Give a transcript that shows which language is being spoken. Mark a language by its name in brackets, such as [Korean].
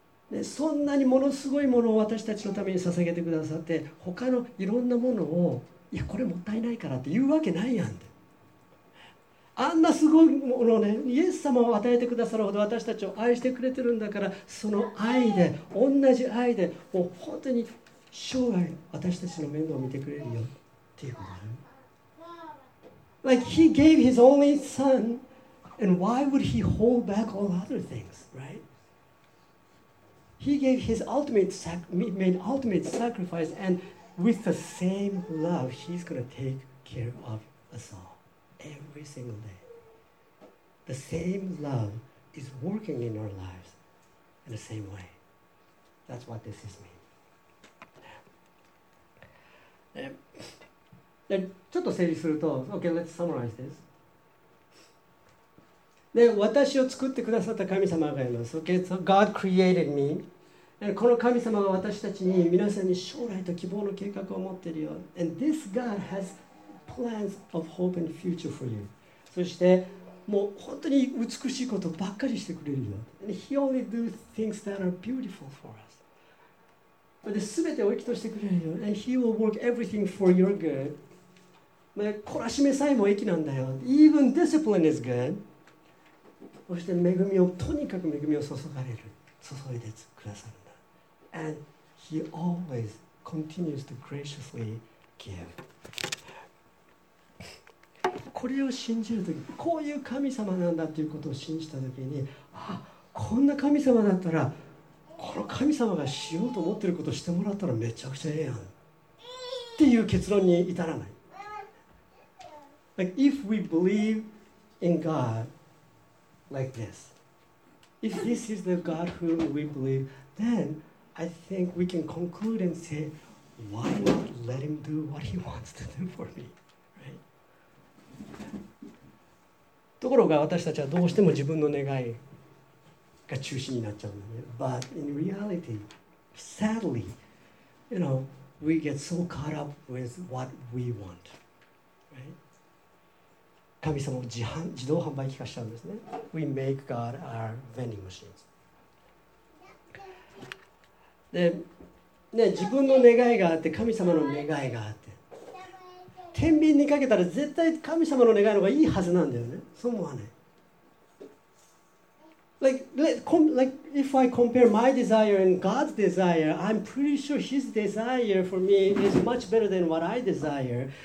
[Japanese] でそんなにものすごいものを私たちのために捧げてくださって、他のいろんなものを、いやこれもったいないからって言うわけないやんって、あんなすごいものをね、イエス様を与えてくださるほど私たちを愛してくれてるんだから、その愛で、同じ愛でもう本当に生涯私たちの面倒を見てくれるよっていうことね。 [English] Like he gave his only son and why would he hold back all other things, right? He gave his ultimate sacrifice, and with the same love, he's going to take care of us all every single day. The same love is working in our lives in the same way. That's what this is mean. [Japanese] ちょっと整理すると、 [English] okay, let's summarize this. [Japanese] で、私を作ってくださった神様がいます。 [English] Okay, so God created me. [Japanese] この神様が私たちに皆さんに将来と希望の計画を持っているよ。 [English] And this God has plans of hope and future for you. [Japanese] そしてもう本当に美しいことばっかりしてくれるよ。 [English] And he only do things that are beautiful for us. [Japanese] で、全てを生きとしてくれるよ。 [English] And he will work everything for your good. [Japanese] まあ、懲らしめさえも益なんだよ。 [English] Even discipline is good. [Japanese] そして恵みを、とにかく恵みを注がれる。注いでくださる。 [English] And he always continues to graciously give. [Japanese] これを信じるとき、こういう神様なんだということを信じたときに、あ、こんな神様だったら、この神様がしようと思っていることをしてもらったらめちゃくちゃええやん。っていう結論に至らない。 [English] Like, if we believe in God like this, if this is the God whom we believe, then... I think we can conclude and say, why not let him do what he wants to do for me, right? [Japanese] ところが私たちはどうしても自分の願いが中心になっちゃうんだね。 [English] But in reality, sadly, you know, we get so caught up with what we want, right? [Japanese] 神様を自動販売機化しちゃうんですね。 [English] We make God our vending machines. [Japanese] でね、自分の願いがあって神様の願いがあって天秤にかけたら絶対神様の願いの方がいいはずなんだよね。そう思わない？ [English] Like if I compare my desire and God's desire, I'm pretty sure his desire for me is much better than what I desire.